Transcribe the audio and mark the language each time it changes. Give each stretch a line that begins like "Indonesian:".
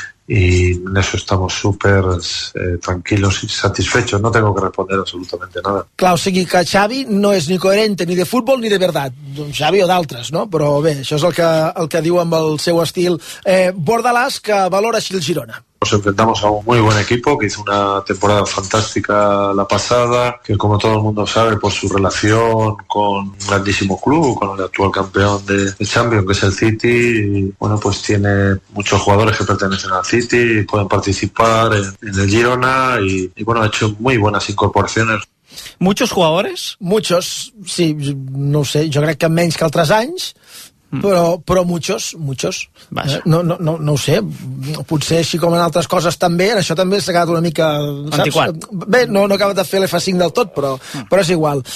Spanish: Y en eso estamos súper tranquilos y satisfechos. No tengo que responder absolutamente nada.
Catalan: Clar, o sigui que Xavi no és
Spanish: ni coherente ni de futbol ni de verdad.
Catalan: Xavi o d'altres, no? Però bé, això és el que diu amb el seu estil. Bordalàs, que valora així el Girona.
Spanish: Nos enfrentamos a un muy buen equipo que hizo una temporada fantástica la pasada, que como todo el mundo sabe por su relación con un grandísimo club, con el actual campeón de Champions, que es el City, bueno, pues tiene muchos jugadores que pertenecen al City y pueden participar en el Girona y bueno, ha hecho muy buenas incorporaciones. ¿Muchos jugadores? Muchos, sí, no sé, yo creo que
Catalan: menys que altres anys. Però
Spanish: muchos, muchos.
Catalan: No ho sé, potser així com en altres coses també, en això també s'ha quedat una mica... Antiquat. Bé, no acaba de fer l'F5 del tot, però és igual.